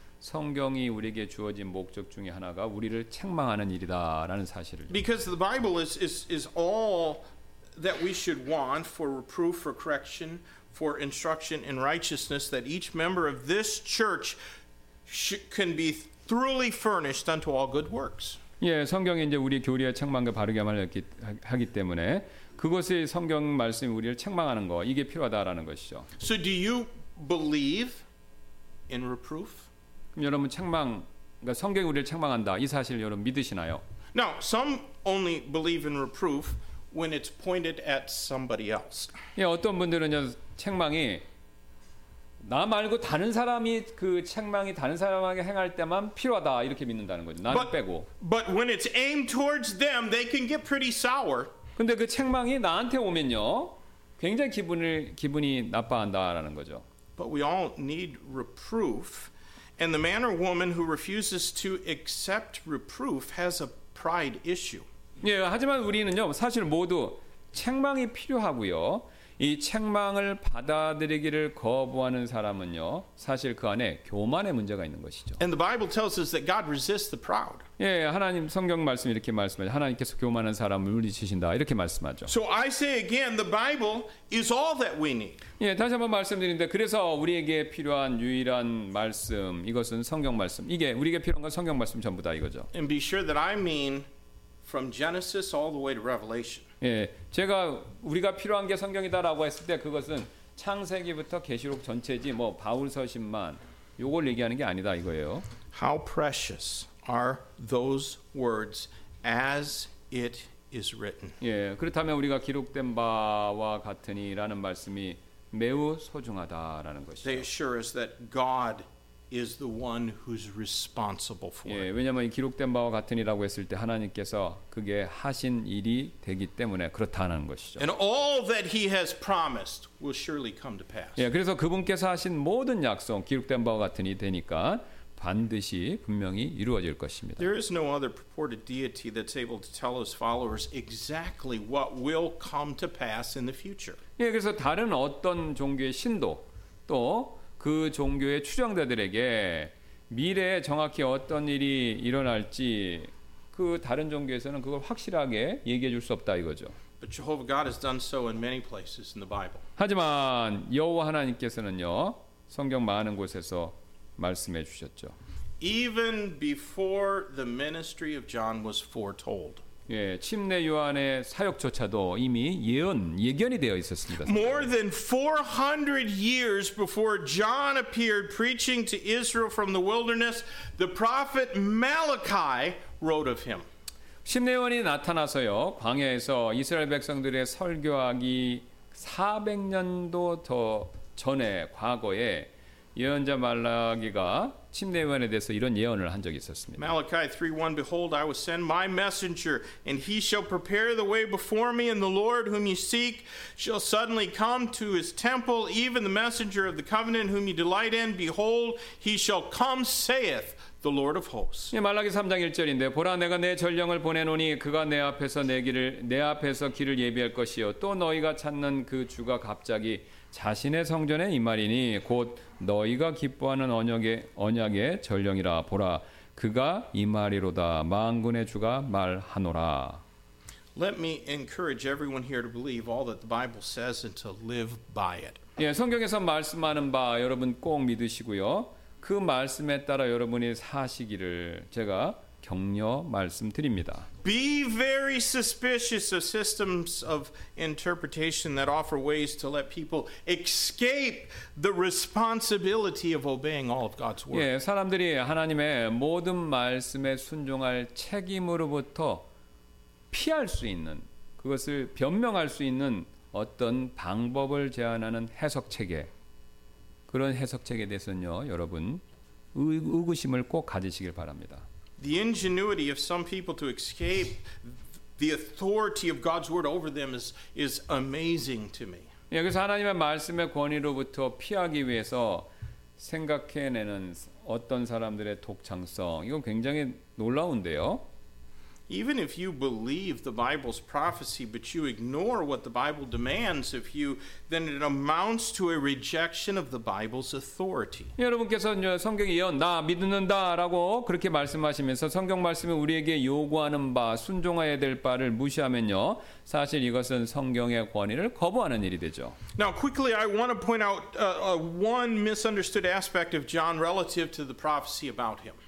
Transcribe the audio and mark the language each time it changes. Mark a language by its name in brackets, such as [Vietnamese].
[Korean] 성경이 우리에게 주어진 목적 중에 하나가 우리를 책망하는 일이다라는 사실을. [English] Because the Bible is all that we should want for reproof, for correction, for instruction in righteousness that each member of this church can be thoroughly furnished unto all good works. [Korean] 예, 성경이 이제 우리 교리의 책망과 바르게 말했기 하기 때문에 그것이 성경 말씀이 우리를 책망하는 거 이게 필요하다라는 것이죠. [English] So do you believe in reproof? [Korean] 그럼 여러분 책망, 그러니까 성경이 우리를 책망한다 이 사실을 여러분 믿으시나요? [English] Now, some only believe in reproof when it's pointed at somebody else. [Korean] 예, 어떤 분들은요, 책망이 나 말고 다른 사람이 그 책망이 다른 사람에게 행할 때만 필요하다 이렇게 믿는다는 거죠. 나를 빼고. [English] But when it's aimed towards them, they can get pretty sour. [Korean] 근데 그 책망이 나한테 오면요. 굉장히 기분이 나빠한다라는 거죠. [English] But we all need reproof. And the man or woman who refuses to accept reproof has a pride issue. [Korean] 예, 하지만 우리는요, 사실 모두 책망이 필요하고요. 이 책망을 받아들이기를 거부하는 사람은요, 사실 그 안에 교만의 문제가 있는 것이죠. [English] And the Bible tells us that God resists the proud. [Korean] 예, 하나님 성경 말씀 이렇게 말씀하죠. 하나님께서 교만한 사람을 물리치신다 이렇게 말씀하죠. [English] So I say again, the Bible is all that we need. [Korean] 예, 다시 한번 말씀드리는데 그래서 우리에게 필요한 유일한 말씀 이것은 성경 말씀. 이게 우리에게 필요한 건 성경 말씀 전부다 이거죠. [English] And be sure that I mean from Genesis all the way to Revelation. [Korean] 예, 제가 우리가 필요한 게 성경이다라고 했을 때 그것은 창세기부터 계시록 전체지 뭐 바울 서신만 요걸 얘기하는 게 아니다 이거예요. [English] How precious are those words as it is written. [Korean] 예, 그렇다면 우리가 기록된 바와 같으니라는 말씀이 매우 소중하다라는 것이죠. [English] They assure us that God is the one who's responsible for it. [Korean] 예, 왜냐면 기록된 바와 같으니라고 했을 때 하나님께서 그게 하신 일이 되기 때문에 그렇다는 것이죠. [English] And all that he has promised will surely come to pass. [Korean] 예, 그래서 그분께서 하신 모든 약속 기록된 바와 같으니 되니까 반드시 분명히 이루어질 것입니다. [English] There is no other purported deity that's able to tell his followers exactly what will come to pass in the future. [Korean] 예, 그래서 다른 어떤 종교의 신도 또 그 종교의 추종자들에게 미래에 정확히 어떤 일이 일어날지 그 다른 종교에서는 그걸 확실하게 얘기해 줄 수 없다 이거죠. [English] But Jehovah God has done so in many places in the Bible. [Korean] 하지만 여호와 하나님께서는요. 성경 많은 곳에서 말씀해 주셨죠. [English] Even before the ministry of John was foretold. [Korean] 예, 침례 요한의 사역조차도 이미 예견이 되어 있었습니다. [English] More than 400 years before John appeared preaching to Israel from the wilderness, the prophet Malachi wrote of him. [Korean] 침례 요한이 나타나서요. 광야에서 이스라엘 백성들의 설교하기 400년도 더 전에 과거에 예언자 말라기가 침례 요한에 대해서 이런 예언을 한 적이 있었습니다. [English] Malachi 3:1 Behold, I will send my messenger, and he shall prepare the way before me, and the Lord whom you seek shall suddenly come to his temple, even the messenger of the covenant whom you delight in. Behold, he shall come, saith the Lord of hosts. [Korean] 예, 말라기 3장 1절인데 보라 내가 내 전령을 보내노니 그가 내 앞에서 내 앞에서 길을 예비할 것이요 또 너희가 찾는 그 주가 갑자기 자신의 성전에 임하리니 곧 너희가 기뻐하는 언약의 전령이라 보라 그가 임하리로다 만군의 주가 말하노라. [English] Let me encourage everyone here to believe all that the Bible says and to live by it. [Korean] 예, 성경에서 말씀하는 바 여러분 꼭 믿으시고요. 그 말씀에 따라 여러분이 사시기를 제가 격려 말씀드립니다. [English] Be very suspicious of systems of interpretation that offer ways to let people escape the responsibility of obeying all of God's word. [Korean] 예, 사람들이 하나님의 모든 말씀에 순종할 책임으로부터 피할 수 있는 그것을 변명할 수 있는 어떤 방법을 제안하는 해석 체계 그런 해석 체계에 대해서는요, 여러분 의구심을 꼭 가지시길 바랍니다. [English] The ingenuity of some people to escape the authority of God's word over them is amazing to me. [Korean] 예, 그래서 하나님의 말씀의 권위로부터 피하기 위해서 생각해내는 어떤 사람들의 독창성, 이건 굉장히 놀라운데요. [English] Even if you believe the Bible's prophecy, but you ignore what the Bible demands of you, then it amounts to a rejection of the Bible's authority. [Korean] 여러분께서 성경 예언 나 믿는다라고 그렇게 말씀하시면서 성경 말씀이 우리에게 요구하는 바 순종해야 될 바를 무시하면요, 사실 이것은 성경의 권위를 거부하는 일이 되죠. [English] Now, quickly, I want to point out one misunderstood aspect of John relative to the prophecy about him.